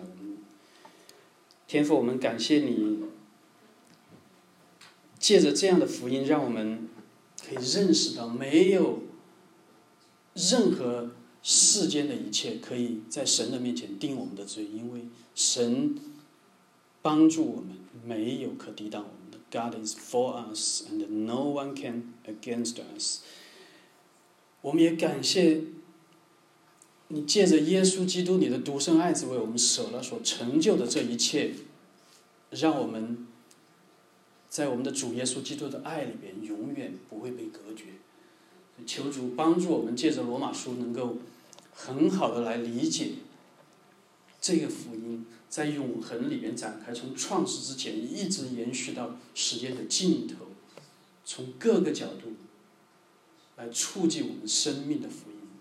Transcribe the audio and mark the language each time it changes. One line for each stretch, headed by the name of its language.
Chinese: 我们天父，我们感谢你借着这样的福音让我们可以认识到，没有任何世间的一切可以在神的面前定我们的罪，因为神帮助我们，没有可抵挡我们的。
English: God is for us and no one can against us。
Chinese: 我们也感谢你借着耶稣基督你的独生爱子为我们舍了所成就的这一切，让我们在我们的主耶稣基督的爱里边永远不会被隔绝。求主帮助我们借着罗马书能够很好的来理解这个福音在永恒里面展开，从创始之前一直延续到时间的尽头，从各个角度来促进我们生命的福音。